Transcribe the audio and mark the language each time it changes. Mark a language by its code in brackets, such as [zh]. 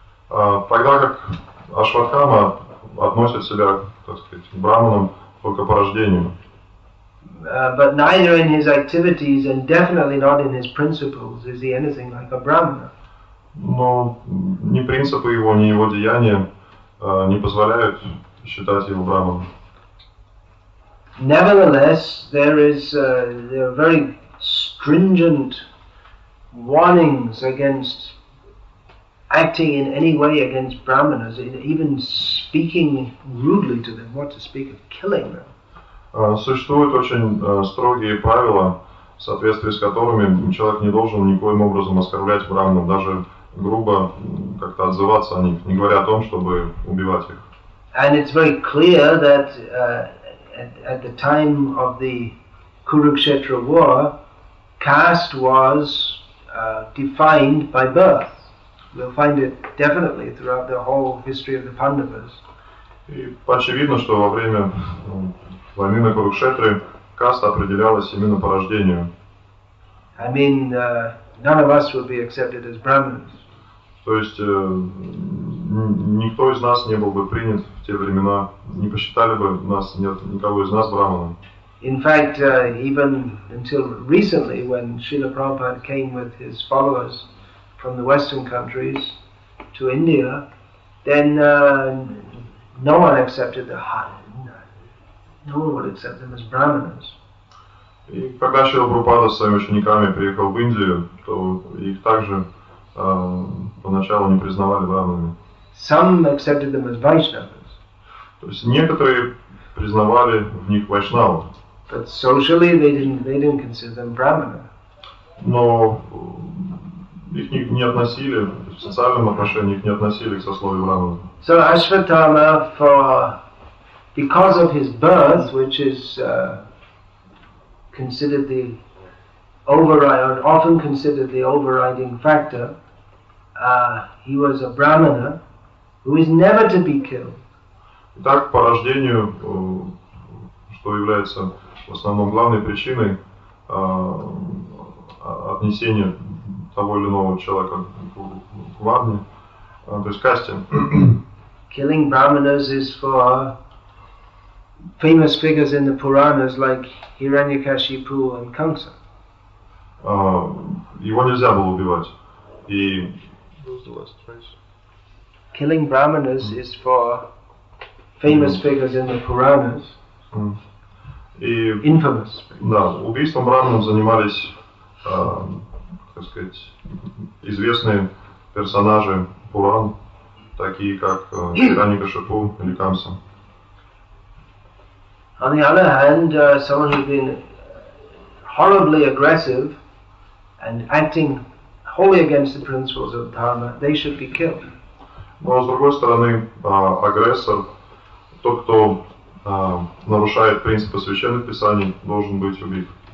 [ru] Тогда как Ашватхама относит себя, так сказать, к Брахманам только по рождению. [en] But neither in his activities and definitely not in his principles is he anything like a Brahmana. [ru] Но ни принципы его, ни его деяния не позволяют считать его Брахманом. [en] Nevertheless, there are very stringent warnings against acting in any way against Brahmanas, even speaking rudely to them, what to speak of killing them. [ru] Существуют очень строгие правила, в соответствии с которыми человек не должен никоим образом оскорблять брахманов, даже грубо как-то отзываться о них, не говоря о том, чтобы убивать их. [en] And it's very clear that at the time of the Kurukshetra war, caste was defined by birth. We'll find it definitely throughout the whole history of the Pandavas. [ru] И очевидно, что во время войны на Курукшетре каста определялась именно по рождению. [en] I mean, none of us would be accepted as Brahmins. [ru] То есть никто из нас не был бы принят в те времена, не посчитали бы нас, нет никого из нас Брахманом. [en] In fact, even until recently, when Srila Prabhupada came with his followers from the Western countries to India, then no one accepted the high. No one would accept them as Brahmanas. [ru] И когда Шрила Прабхупада с своими учениками приехал в Индию, то их также поначалу не признавали Брахманами. [en] Some accepted them as Vaishnavas. [ru] То есть некоторые признавали в них Вайшнава. [en] But socially they didn't consider them Brahmana. [ru] Но их не относили, в социальном отношении их не относили к сословию Брахмана. [en] So Ashvatthama because of his birth, which is considered the override, often considered the overriding factor, he was a Brahmana who is never to be killed. [ru] Итак, по рождению, что является в основном главной причиной отнесения того или иного человека к варне, то есть касте. [en] Killing Brahmanas is for famous figures in the Puranas like Hiranyakashipu and Kamsa. [ru] Его нельзя было убивать. И... [en] Killing Brahmanas is for famous figures in the Puranas. Infamous. [ru] Да, убийством Брахманов занимались, так сказать, известные персонажи Пуран, такие как Хиранья-Кашипу или Камса. [en] On the other hand, someone who's been horribly aggressive and acting wholly against the principles of Dharma, they should be killed. [ru] Но с другой стороны, агрессор, тот, кто нарушает принципы священных писаний, должен быть убит.